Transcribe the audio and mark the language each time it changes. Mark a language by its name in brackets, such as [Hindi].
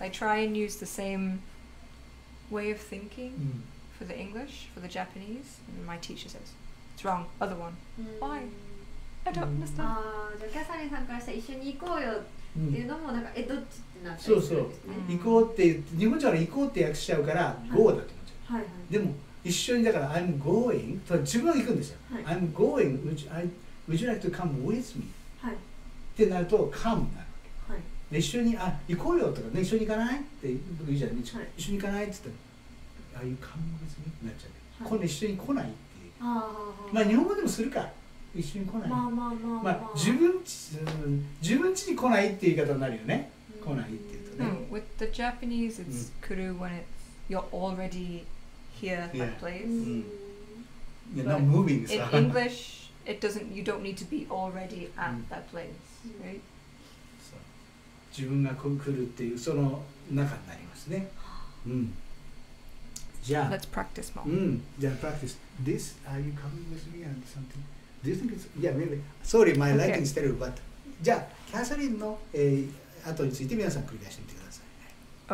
[English] I try and use the same way of thinking for the English, for the Japanese. And my teacher says, it's wrong, other one. Why? I don't understand. [Japanese] ああ、キャサリンさんからしたら一緒に行こうよっていうのもなんか、うん、どっちってなってるんですね。そうそう、うん、行こうって言って日本人は行こうって訳しちゃうから、はい、Go だと思っちゃう、はいはい、でも一緒にだから [English] I'm going [Japanese] とは自分は行くんですよ、はい、 [English] I'm going would you like to come with me、 [Japanese] はい、ってなると come なるわけ、はい、で一緒にあ行こうよとかね、一緒に行かないって言うじゃん、ね、はい、一緒に行かないって言ったら [English] Are you coming with me [Japanese] ってなっちゃう、はい、今度一緒に来ないっていう、あ、まあ日本語でもするか、一緒に来ない、まあまあまあまあ、まあ、自分家に来ないっていう言い方になるよね、来ないっていうとね、 [English] No, with the Japanese it's kuru when it's you're already here at that place、 yeah. You're not moving in English it doesn't, you don't need to be already at that place、right? [Japanese] そう、自分が来るっていうその中になりますね、うん、じゃあ [English] Let's practice more、 [Japanese] うん、じゃあ [English] practice this, are you coming with me and somethingDo you think it's, yeah, maybe. Sorry, my liking is terrible, but... [Japanese] じゃあ、キャサリンの、後について皆さん繰り出してみてください。